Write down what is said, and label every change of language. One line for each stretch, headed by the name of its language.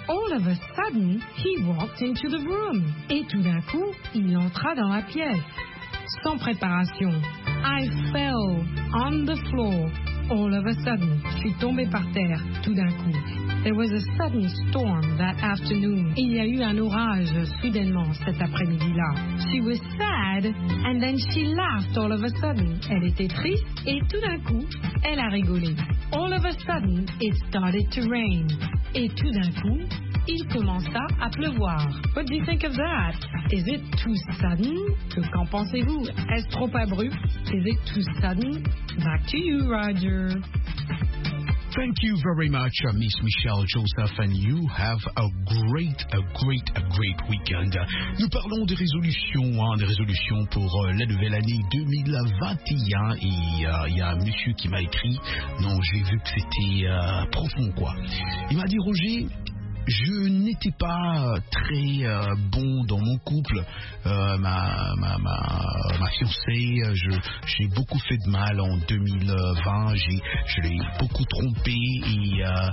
English: All of a sudden, he walked into the room.
French: Et tout d'un coup, il entra dans la pièce. Sans préparation.
English: I fell on the floor. All of a sudden,
French: je suis tombé par terre, tout d'un coup.
English: There was a sudden storm that afternoon.
French: Il y a eu un orage, soudainement, cet après-midi-là.
English: She was sad, and then she laughed all of a sudden.
French: Elle était triste, et tout d'un coup, elle a rigolé.
English: All of a sudden, it started to rain.
French: Et tout d'un coup, il commença à pleuvoir.
English: What do you think of that? Is it too sudden?
French: Qu'en pensez-vous? Est-ce trop abrupt?
English: Is it too sudden? Back to you, Roger. Thank you very much, Miss Michelle Joseph, and you have a great weekend.
French: Nous parlons des résolutions, hein, des résolutions pour la nouvelle année 2021. Et il y a un monsieur qui m'a écrit. Non, j'ai vu que c'était profond, quoi. Il m'a dit, Roger, je n'étais pas très bon dans mon couple, ma fiancée, j'ai beaucoup fait de mal en 2020, je l'ai beaucoup trompé et